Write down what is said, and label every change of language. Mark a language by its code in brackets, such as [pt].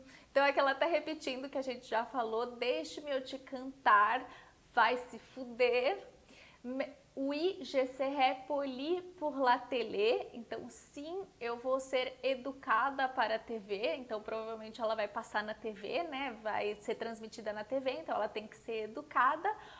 [pt] Então é que ela tá repetindo o que a gente já falou. Deixe-me eu te cantar, vai se fuder. [fr] Oui, je serai poli pour la télé. [pt] Então sim, eu vou ser educada para a TV. Então provavelmente ela vai passar na TV, né? Vai ser transmitida na TV, então ela tem que ser educada.